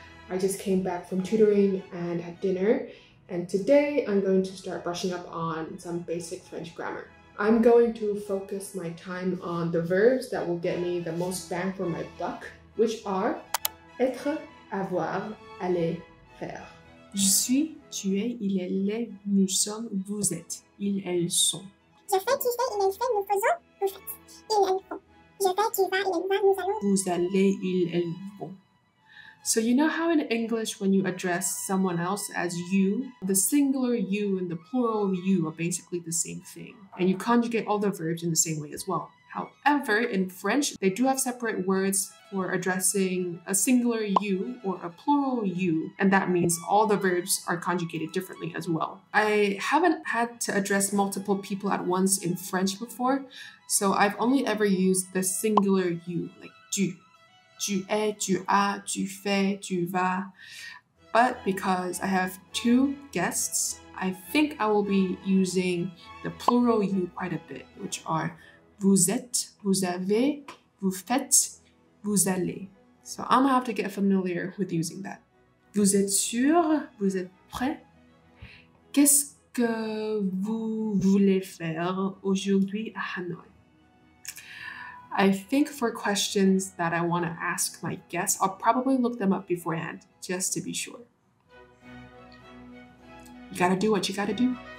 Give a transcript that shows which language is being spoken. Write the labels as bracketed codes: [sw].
[en] I just came back from tutoring and had dinner, and today I'm going to start brushing up on some basic French grammar. I'm going to focus my time on the verbs that will get me the most bang for my buck, which are être, avoir, aller, faire. [fr] Je suis, tu es, il est, les, nous sommes, vous êtes, ils, elles sont. Je fais, tu fais, il est, fait, nous faisons, vous faites, ils, elles font. Vous allez, ils, elles vont. [en] So you know how in English when you address someone else as you, the singular you and the plural you are basically the same thing, and you conjugate all the verbs in the same way as well. However, in French, they do have separate words for addressing a singular you or a plural you, and that means all the verbs are conjugated differently as well. I haven't had to address multiple people at once in French before, so I've only ever used the singular you, like tu. [fr] Tu es, tu as, tu fais, tu vas. [en] But because I have 2 guests, I think I will be using the plural you quite a bit, which are [fr] vous êtes, vous avez, vous faites, vous allez. [en] So I'm gonna have to get familiar with using that. [fr] Vous êtes sûr? Vous êtes prêt? Qu'est-ce que vous voulez faire aujourd'hui à Hanoi? [en] I think for questions that I want to ask my guests, I'll probably look them up beforehand just to be sure. You gotta do what you gotta do.